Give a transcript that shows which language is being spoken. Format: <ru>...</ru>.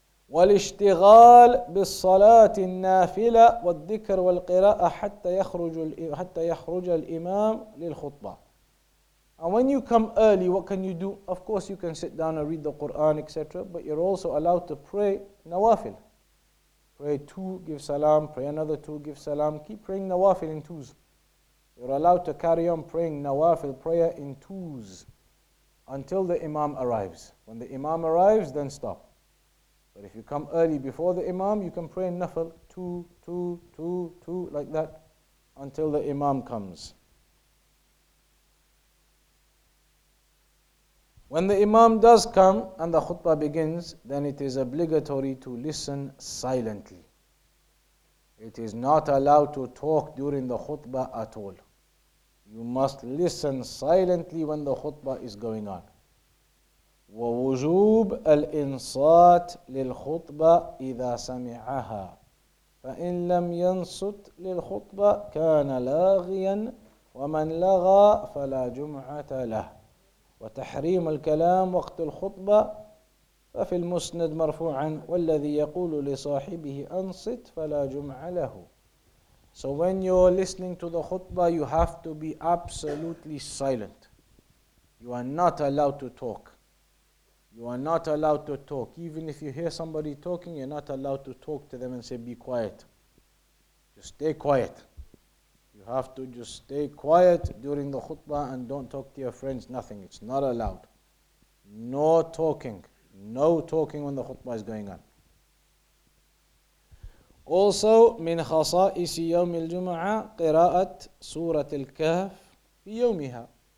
<ar>والاشتغال بالصلاة النافلة والذكر والقراءة حتى يخرج الإمام للخطبة.</ar> <en>And when you come early, what can you do? Of course, you can sit down and read the Quran, etc. But you're also allowed to pray nawafil. Pray two, give salam. Pray another two, give salam. Keep praying nawafil in twos. You're allowed to carry on praying nawafil prayer in twos until the Imam arrives. When the Imam arrives, then stop. But if you come early before the Imam, you can pray in Nafl, two, two, two, two, like that, until the Imam comes. When the Imam does come and the khutbah begins, then it is obligatory to listen silently. It is not allowed to talk during the khutbah at all. You must listen silently when the khutbah is going on.</en> <ar>ووجوب الإنصات للخطبة إذا سمعها فإن لم ينصت للخطبة كان لاغيا ومن لغى فلا جمعة له وتحريم الكلام وقت الخطبة ففي المسند مرفوعا والذي يقول لصاحبه أنصت فلا جمعة له.</ar> <en>So when you're listening to the khutbah, you have to be absolutely silent. You are not allowed to talk. You are not allowed to talk. Even if you hear somebody talking, you're not allowed to talk to them and say, be quiet. Just stay quiet. You have to just stay quiet during the khutbah and don't talk to your friends, nothing. It's not allowed. No talking. No talking when the khutbah is going on.</en> <ar>Also, من خصائص يوم الجمعة قراءة سورة الكهف في يومها.</ar>